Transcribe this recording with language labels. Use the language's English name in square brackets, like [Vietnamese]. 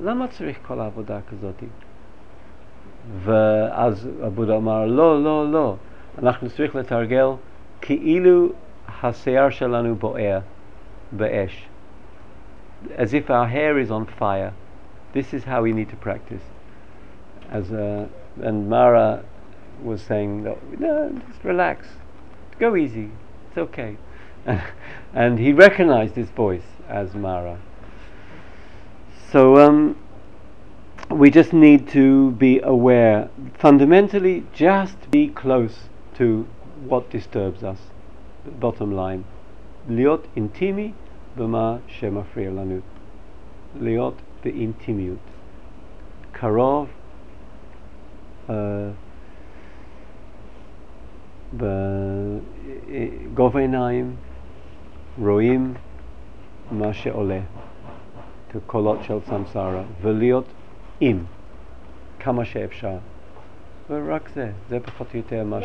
[Hebrew] למה צריך כל העבודה כזאת? ואז הבודה אמר, לא, לא, לא. אנחנו צריך לתרגל כאילו השיער שלנו בוער. [English] Ba'esh, as if our hair is on fire. This is how we need to practice. And Mara was saying, no, just relax, go easy, it's okay. And he recognized his voice as Mara. So we just need to be aware, fundamentally, just be close to what disturbs us. Bottom line, [Hebrew] להיות intimi. במה שמפריע לנו להיות באינטימיות קרוב בגובה עיניים רואים מה שעולה כקולות של סמסרה ולהיות עם כמה שאפשר ורק זה פחות או יותר מה ש...